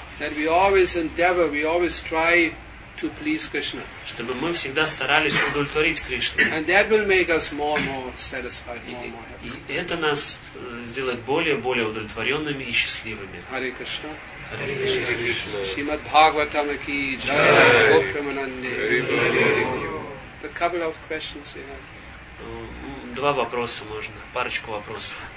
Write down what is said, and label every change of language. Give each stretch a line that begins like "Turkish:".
English: That we always endeavor, we always try to please Krishna.
Russian: Чтобы мы всегда старались удовлетворить Кришну.
English: And that will make us more and more satisfied, more and more happy.
Russian: И это нас сделает более и более удовлетворенными и счастливыми.
English: Hare Krishna. Hare Krishna. Srimad Bhagavatam ki jai. Jai. Oh, Premanande. Hare Krishna. A couple of questions we have.
Russian: Два вопроса можно, парочку вопросов.